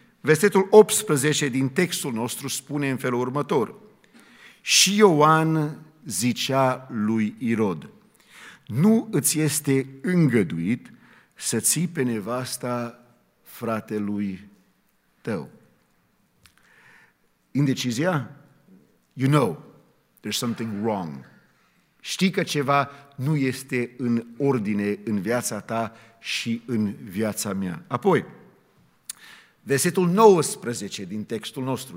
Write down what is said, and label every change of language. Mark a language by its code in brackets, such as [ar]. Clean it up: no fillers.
[ro] Versetul 18 din textul nostru spune în felul următor. Și Ioan zicea lui Irod, nu îți este îngăduit să ții pe nevasta fratelui tău. Indecizia? [en] You know, there's something wrong. [ro] Știi că ceva nu este în ordine în viața ta și în viața mea. Apoi, versetul 19 din textul nostru.